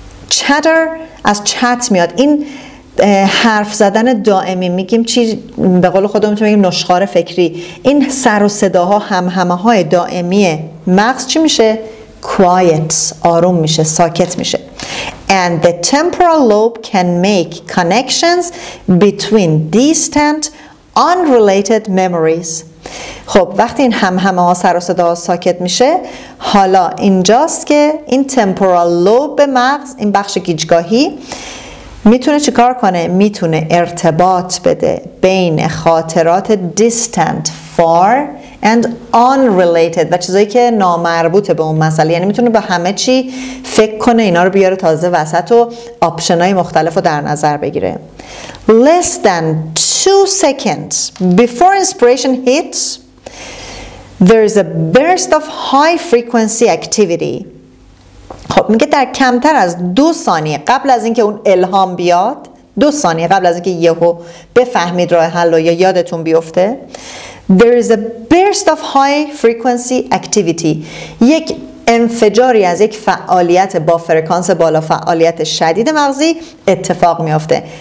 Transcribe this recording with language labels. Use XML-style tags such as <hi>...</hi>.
<fa>chatter از chat میاد، این حرف زدن دائمی، میگیم چی به قول خودمون، میگیم نشخوار فکری، این سر و صداها، همهمه های دائمی مغز چی میشه؟ quiet، آروم میشه، ساکت میشه.</fa> <en>and the temporal lobe can make connections between distant unrelated memories.</en> <fa>خب وقتی این همهمه ها سر و صداها ساکت میشه، حالا اینجاست که این temporal lobe مغز، این بخش گیجگاهی، میتونه چی کار کنه؟ میتونه ارتباط بده بین خاطرات</fa> <en>distant, far and unrelated</en> <fa>و چیزایی که نامربوطه به اون مسئله، یعنی میتونه به همه چی فکر کنه، اینا رو بیاره تازه وسط و آپشنای مختلف رو در نظر بگیره.</fa> <en>less than 2 seconds before inspiration hits there is a burst of high frequency activity.</en> <fa>خب میگه در کمتر از 2 ثانیه قبل از اینکه اون الهام بیاد، 2 ثانیه قبل از اینکه یهو بفهمید راه حل رو یا یادتون بیفته،</fa> <en>there is a burst of high frequency activity،</en> <fa>یک انفجاری از یک فعالیت با فرکانس بالا، فعالیت شدید مغزی اتفاق میفته.</fa>